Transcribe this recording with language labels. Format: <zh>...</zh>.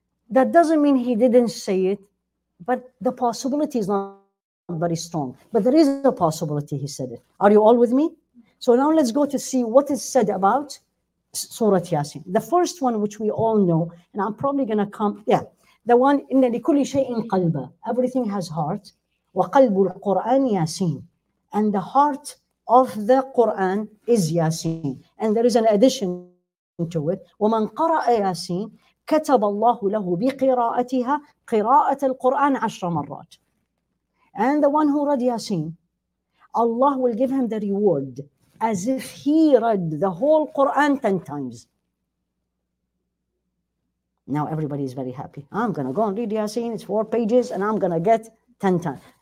<en>That doesn't mean he didn't say it, but the possibility is not very strong. But there is a possibility he said it. Are you all with me? So now let's go to see what is said about Surah Yasin. The first one, which we all know, and I'm probably going to come, yeah. The one,</en> <ar>إِنَّ لِكُلِّ شَيْءٍ قَلْبًا.</ar> <en>Everything has heart.</en> <ar>وَقَلْبُ الْقُرْآنِ يَاسِينَ.</ar> <en>And the heart of the Quran is Yasin. And there is an addition to it.</en> <ar>وَمَنْ قَرَأَ يَاسِينَ كَتَبَ اللَّهُ لَهُ بِقِرَاءَتِهَا قِرَاءَةَ الْقُرْآنِ</ar> <en>10 times. And the one who read Yasin, Allah will give him the reward as if he read the whole Quran 10 times. Now everybody is very happy. I'm going to go and read Yasin. It's 4 pages and I'm going to get 10 times.</en>